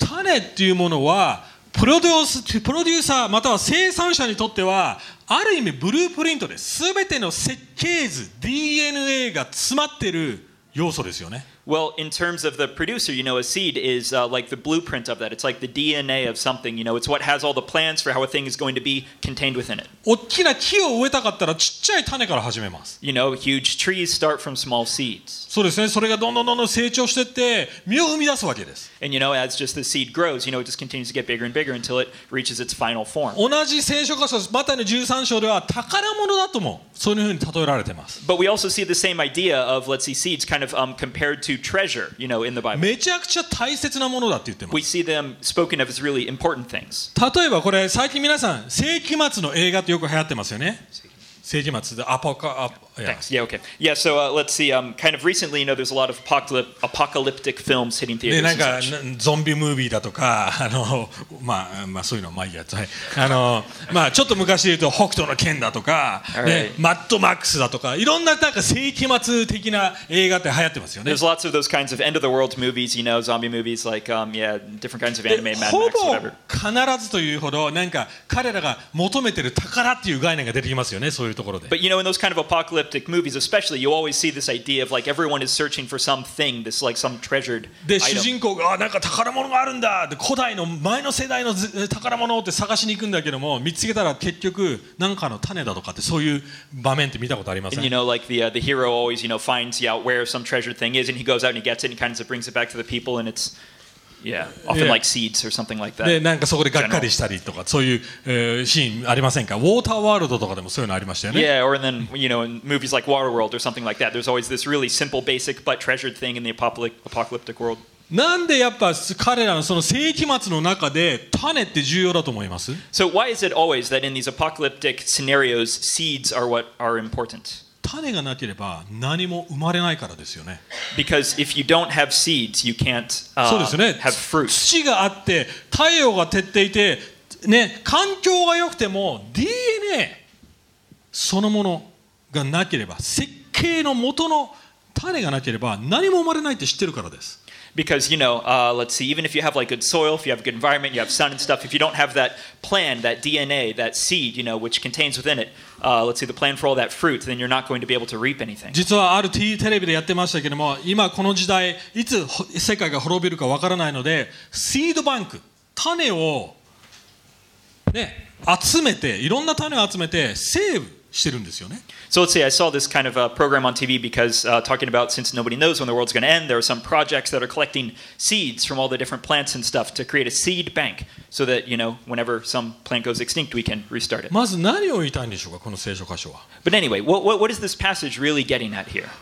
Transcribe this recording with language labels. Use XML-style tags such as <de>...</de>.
<ja>種っていうものはプロデューサーまたは生産者にとってはある意味ブループリントです。全ての設計図 DNA が詰まってる要素ですよね。</ja> <en>Well, in terms of the producer, you know, a seed is like the blueprint of that. It's like the DNA of something, you know. It's what has all the plans for how a thing is going to be contained within it.</en> <ja>大きな木を植えたかったらちっちゃい種から始めます。</ja> <en>You know, huge trees start from small seeds.</en> <ja>そうですね。それがどんどんどんどん成長してって実を生み出すわけです。</ja> <en>And you know, as just the seed grows, you know, it just continues to get bigger and bigger until it reaches its final form.</en> <ja>同じ聖書箇所です。マタイの13章では宝物だともそういうふうに例えられてます。</ja> <en>But we also see the same idea of, let's see, seeds kind of compared to treasure, you know, in the Bible.</en> <ja>めちゃくちゃ大切なものだって言ってます。</ja> <en>We see them spoken of as really important things.</en> <ja>例えばこれ最近皆さん世紀末の映画ってよく流行ってますよね。世紀末でアポカアポ。</ja> <en>Thanks. Yeah. Okay. Yeah. So let's see. Kind of recently, you know, there's a lot of apocalyptic films hitting theaters.</en> <ja>ね、なんかゾンビムービーだとか、あの、まあ、まあそういうのまあいいやつ。はい。あの、まあちょっと昔で言うと北斗の拳だとか、ね、マッドマックスだとか、いろんななんか世紀末的な映画って流行ってますよね。</ja> <en>There's lots of those kinds of end of the world movies, you know, zombie movies like different kinds of anime, Mad Max, whatever.</en> <ja>ほぼ必ずというほどなんか彼らが求めてる宝っていう概念が出てきますよね、そういうところで。</ja> <en>But you know, in those kind of apocalyptic movies, especially, you always see this idea of like everyone is searching for something, this like some treasured item.</en> <ja>で主人公があなんか宝物があるんだで古代の前の世代の宝物って探しに行くんだけども見つけたら結局なんかの種だとかってそういう場面って見たことありません。</ja> <en>And you know, like the hero always you know finds out where some treasured thing is, and he goes out and he gets it and kind of brings it back to the people, and it's yeah, often like seeds or something like that.</en> <ja>でなんかそこでがっかりしたりとかそういう、シーンありませんか。ウォーターワールドとかでもそういうのありましたよね。</ja> <en>Yeah, or then you know in movies like Waterworld or something like that, there's always this really simple, basic but treasured thing in the apocalyptic world.</en> <ja>なんでやっぱ彼らのその世紀末の中で種って重要だと思います。</ja> <en>So why is it always that in these apocalyptic scenarios, seeds are what are important?</en> <ja>種がなければ何も生まれないからですよね。</ja> <en>Because if you don't have seeds, you can't have fruit.</en> <ja>土があって太陽が照っていてね環境が良くても DNA そのものがなければ設計の元の種がなければ何も生まれないって知ってるからです。</ja> <en>Because you know, let's see. Even if you have like good soil, if you have a good environment, you have sun and stuff. If you don't have that plan, that DNA, that seed, you know, which contains within it, let's see, the plan for all that fruit, then you're not going to be able to reap anything.</en> <ja>実はあるテレビでやってましたけども、今この時代いつ世界が滅びるかわからないので、シードバンク、種をね集めて、いろんな種を集めてセーブしてるんですよね。</ja> <en>So let's see, I saw this kind of a program on TV because talking about since nobody knows when the world's going to end, there are some projects that are collecting seeds from all the different plants and stuff to create a seed bank so that, you know, whenever some plant goes extinct, we can restart it.</en> <ja>まず何を言いたいんでしょうか、この聖書箇所は。</ja> <en>But anyway, what is this passage really getting at here?</en>